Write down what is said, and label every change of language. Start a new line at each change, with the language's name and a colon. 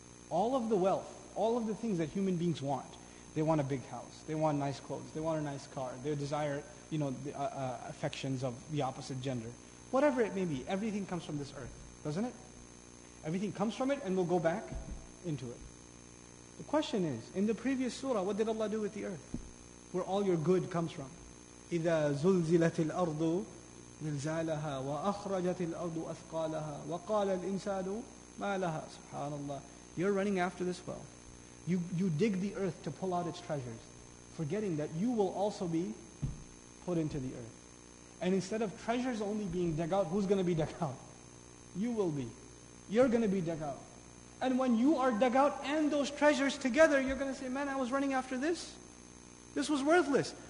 English: All of the wealth, all of the things that human beings want. They want a big house, they want nice clothes, they want a nice car, they desire, you know, the affections of the opposite gender. Whatever it may be, everything comes from this earth, doesn't it? Everything comes from it and we'll go back into it. The question is, in the previous surah, what did Allah do with the earth? Where all your good comes from?
Arabic: إِذَا زُلْزِلَتِ الْأَرْضُ زِلْزَالَهَا وَأَخْرَجَتِ الْأَرْضُ أَثْقَالَهَا وَقَالَ الْإِنسَانُ مَا لَهَا SubhanAllah.
English: You're running after this wealth. You dig the earth to pull out its treasures, forgetting that you will also be put into the earth. And instead of treasures only being dug out, who's going to be dug out? You will be. You're going to be dug out. And when you are dug out and those treasures together, you're going to say, man, I was running after this. This was worthless.